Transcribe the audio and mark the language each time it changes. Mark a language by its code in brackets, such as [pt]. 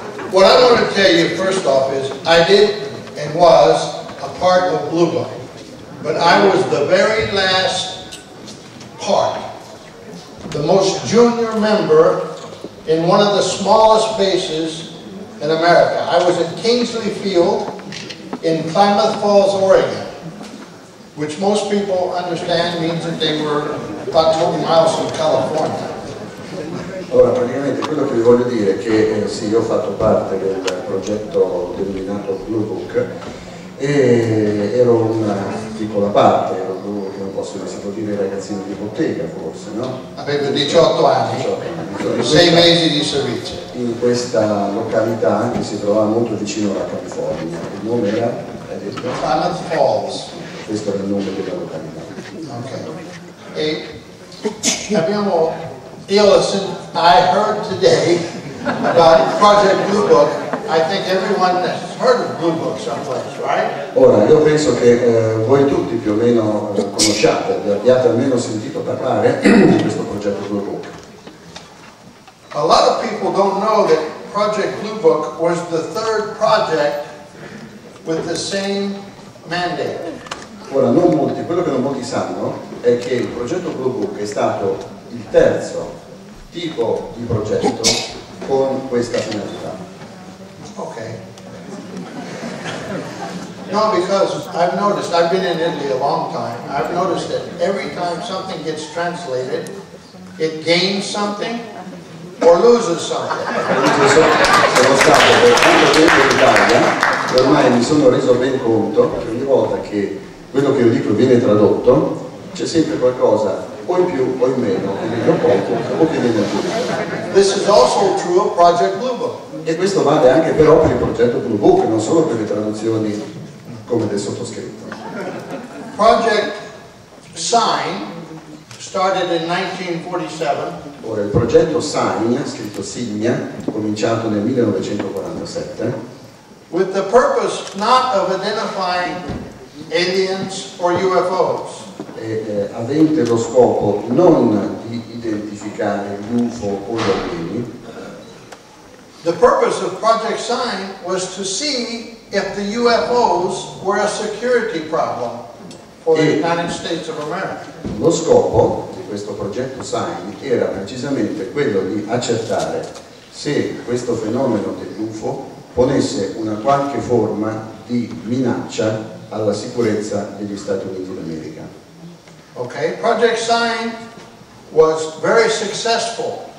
[en] What I want to tell you first off is I did and was a part of Blue Book, but I was the very last part, the most junior member in one of the smallest bases in America. I was at Kingsley Field in Klamath Falls, Oregon, which most people understand means that they were about 20 miles from California. [it] Allora, praticamente quello che vi voglio dire è che sì, io ho fatto parte del progetto denominato Blue Book e ero una piccola parte, ero come posso dire, si può dire ragazzino di bottega forse, no? Avevo 18 anni, 6 mesi di servizio. In questa località che si trovava molto vicino alla California, il nome era? Klamath Falls. Questo era il nome della località. Ok. E abbiamo... [en] Yeah, listen, I heard today about Project Blue Book. I think everyone has heard of Blue Book someplace, right? [it] Ora, io penso che voi tutti più o meno conosciate, abbiate almeno sentito parlare di questo progetto Blue Book. [en] A lot of people don't know that Project Blue Book was the third project with the same mandate. [it] Ora, non molti, quello che non molti sanno è che il progetto Blue Book è stato il terzo tipo di progetto con questa finalità. Ok. [en] No, because I've noticed, I've been in Italy a long time, I've noticed that every time something gets translated, it gains something or loses something. [it] Sono stato per tanto tempo in Italia, ormai mi sono reso ben conto che ogni volta che quello che io dico viene tradotto, c'è sempre qualcosa o in più o in meno, o poco o che viene più. [en] This is also true of Project Blue Book. [it] E questo vale anche però per il progetto Blue Book, non solo per le traduzioni come del sottoscritto. [en] Project Sign started in 1947. [it] Ora, il progetto Sign, scritto Signa, cominciato nel 1947. [en] With the purpose not of identifying aliens or UFOs. [it] Avente lo scopo non di identificare l'UFO o gli alieni. [en] The purpose of Project Sign was to see if the UFOs were a security problem for the United States of America. [it] Lo scopo di questo progetto Sign era precisamente quello di accertare se questo fenomeno dell'UFO ponesse una qualche forma di minaccia alla sicurezza degli Stati Uniti d'America. [en] Okay, Project Sign was very successful.